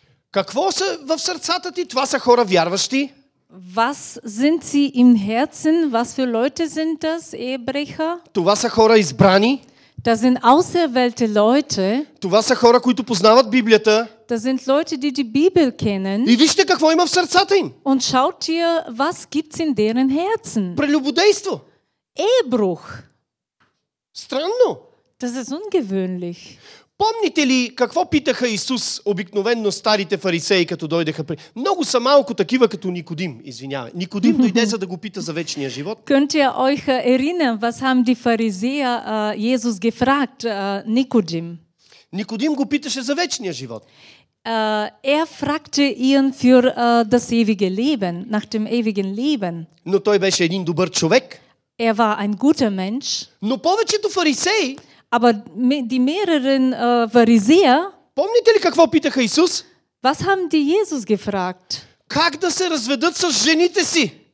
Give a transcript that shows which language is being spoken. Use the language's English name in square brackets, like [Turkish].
[Bulgarian] Какво са в сърцата ти? Това са хора вярващи. [German] Was sind sie im Herzen? Was für Leute sind das, Ehebrecher? [Bulgarian] Това са хора избрани. [German] Das sind auserwählte Leute. [Bulgarian] Това са хора, които познават Библията. [German] Das sind Leute, die die Bibel kennen. [Bulgarian] И вижте какво има в сърцата им. [German] Und schaut hier, was gibt's in deren Herzen? [Bulgarian] Прелюбодейство. [German] Ehebruch. [Bulgarian] Странно. [German] Das ist ungewöhnlich. [Bulgarian] Помните ли какво питаха Исус обикновенно старите фарисеи, като дойдеха при... Много са малко такива като Никодим, извинявай. Никодим дойде, за да го пита за вечния живот. [German] Könnt ihr euch erinnern, was haben die Pharisäer Jesus gefragt, Nikodim? [Bulgarian] Никодим го питаше за вечния живот. [German] Er fragte ihn für das ewige Leben, nach dem ewigen Leben. [Bulgarian] Но той беше един добър човек. [German] Er war ein guter Mensch. [Bulgarian] Но повечето фарисеи... [German] Aber die mehreren Pharisäer, [Bulgarian] помните ли какво питаха Исус? [German] Was haben die Jesus gefragt? [Bulgarian] Как да се разведат с жените си?